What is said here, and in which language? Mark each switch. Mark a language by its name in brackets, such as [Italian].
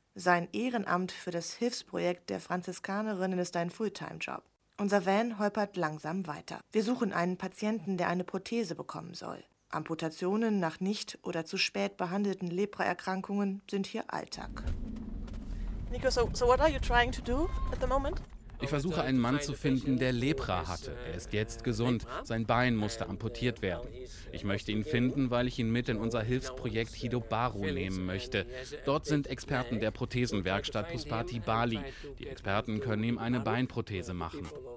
[German] Sein Ehrenamt für das Hilfsprojekt der Franziskanerinnen ist ein Fulltime-Job. Unser Van holpert langsam weiter. Wir suchen einen Patienten, der eine Prothese bekommen soll. Amputationen nach nicht oder zu spät behandelten Lepraerkrankungen sind hier Alltag. [English] Nico, so what are you trying to do at the moment? [German] Ich versuche, einen Mann zu finden, der Lepra hatte. Er ist jetzt gesund. Sein Bein musste amputiert werden. Ich möchte ihn finden, weil ich ihn mit in unser Hilfsprojekt Hidup Baru nehmen möchte. Dort sind Experten der Prothesenwerkstatt Puspati Bali. Die Experten können ihm eine Beinprothese machen.